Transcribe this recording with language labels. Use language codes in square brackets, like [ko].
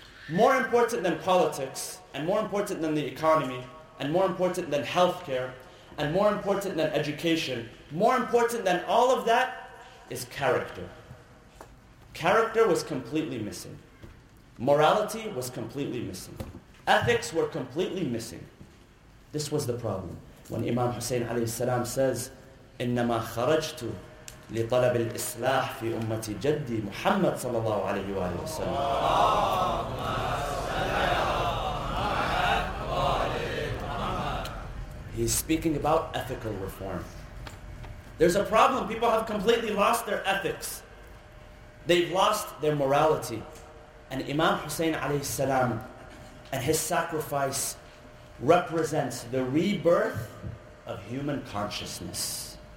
[en] More important than politics, and more important than the economy, and more important than healthcare, and more important than education, more important than all of that is character. Character was completely missing. Morality was completely missing. Ethics were completely missing. This was the problem. When Imam Hussein alayhi salam says, [ar] إِنَّمَا خَرَجْتُ لِطَلَبِ الْإِصْلَاحِ فِي أُمَّةِ جَدِّي مُحَمَّدْ صَلَى اللَّهُ عَلَيْهِ وَآلِهِ وَسَلَّمَ. [en] He's speaking about ethical reform. There's a problem. People have completely lost their ethics. They've lost their morality. And Imam Hussein alayhi salam and his sacrifice represents the rebirth of human consciousness.